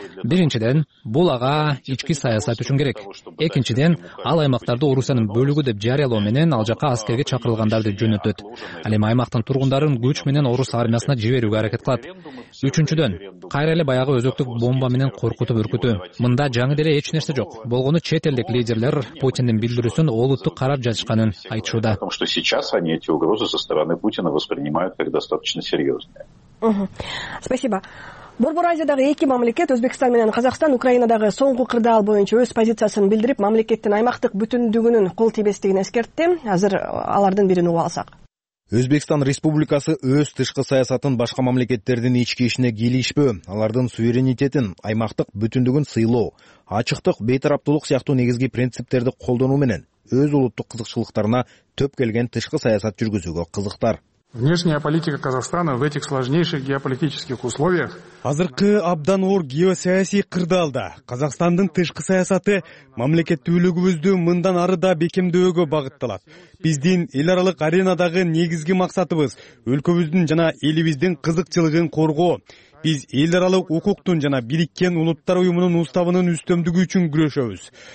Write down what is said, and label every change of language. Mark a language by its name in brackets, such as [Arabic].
[Kyrgyz] Биринчиден, бул ага ички саясат үчүн керек. Экинчиден, ал аймактарды Орусиянын бөлүгү деп жарыялоо менен ал жака аскерге чакырылгандарды жөнөтөт. Ал эми аймактын тургундарын күч менен орус армиясына жиберүүгө аракет кылат. Үчүнчүдөн, кайра эле баягы өзөктүк бомба бомба менен коркутуп өркүтү. Мында жаңы деле эч нерсе жок. Болгону чет элдик лидерлер Путиндин билдирүүсүн олуттук карап жатышканын айтышууда. [Russian] Потому что сейчас они эти угрозы со стороны Путина воспринимают как достаточно серьезные. Спасибо. [Kyrgyz] Борбор Азиядагы эки мамлекет, Өзбекстан менен Казакстан, Украинадагы соңку кырдаал боюнча өз позициясын билдирип, мамлекеттин аймактык бүтүндүгүнүн кол тийбестигин эскертти. Азыр алардын бирин угуп алсак. Өзбекстан Республикасы өз тышкы саясатын башка мамлекеттердин ички ишине кийлигишпөө, алардын суверенитетин, аймактык бүтүндүгүн сыйлоо, ачыктык, бейтараптуулук сыяктуу негизги принциптерди колдонуу менен өз улуттук кызыкчылыктарына төп келген тышкы саясат жүргүзүүгө кызыктар. [Russian] Внешняя политика Казахстана в этих сложнейших геополитических условиях. [Kyrgyz] Азыркы абдан оор геосаясий кырдаалда Казахстандын тышкы саясаты мамлекеттүүлүгүбүздү мындан ары да бекемдөөгө багытталат. Биздин эл аралык аренадагы негизги максатыбыз өлкөбүздүн жана элибиздин кызыкчылыгын коргоо. Биз эл аралык укуктун жана Бириккен Улуттар Уюмунун уставынын үстөмдүгү үчүн күрөшөбүз.